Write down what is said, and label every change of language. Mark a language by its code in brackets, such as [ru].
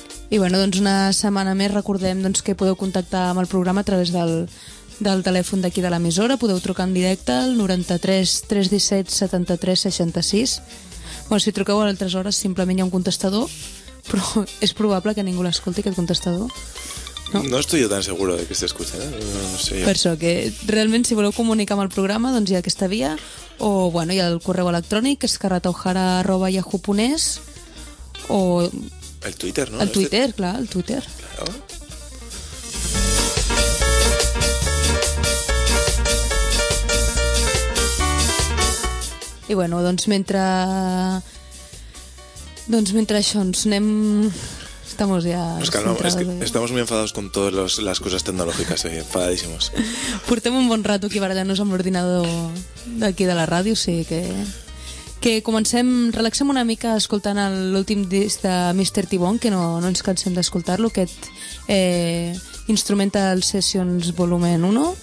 [ca] I bueno, doncs una setmana més recordem doncs que podeu contactar amb el programa a través del telèfon d'aquí de l'emissora. Podeu trucar en directe al 93 317 73 66. Bueno, si truqueu a altres hores simplement hi ha un contestador, però és probable que ningú l'escolti, aquest contestador. [es] No estoy yo tan seguro de que esté escuchando, no sé yo. [ca] Per això, que realment si voleu comunicar amb el programa doncs hi ha aquesta via, o bueno, hi ha el correu electrònic escarrataojara@yahoo.es o... [es] El Twitter, ¿no? [ca] El Twitter, este... clar, el Twitter. [es] Claro. [ca] I bueno, doncs mentre... Doncs mentre això ens anem... [es] Estamos ya... Es que no, es que estamos muy enfadados con todas las cosas tecnológicas, enfadadísimos. [ca] Portem un bon rato aquí barallant-nos amb l'ordinador d'aquí de la ràdio, o sigui que... Que comencem, relaxem una mica escoltant l'últim disc de Mr. T-Bone, que no ens cansem d'escoltar-lo, aquest instrumental Sessions volumen 1.